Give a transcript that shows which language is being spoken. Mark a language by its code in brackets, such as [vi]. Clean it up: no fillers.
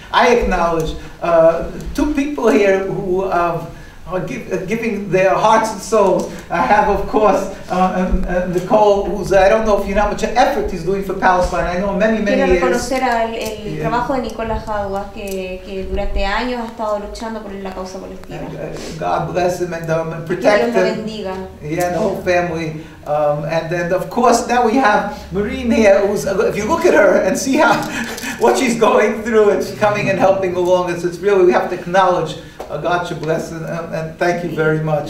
[en] I acknowledge two people here who are giving their hearts and souls. I have, of course, Nicole, who's, I don't know if you know how much effort he's doing for Palestine. I know many, many years. [es] Quiero reconocer el trabajo de Nicola Jaguas, que durante años ha estado luchando por la causa palestina. [en] God bless him and protect him. [es] Que Dios lo bendiga. [en] Yeah, and the whole family. And then, of course, now we have Maureen here, who's, if you look at her and see how what she's going through, and she's coming and helping along. It's really, we have to acknowledge. God should bless and thank you very much.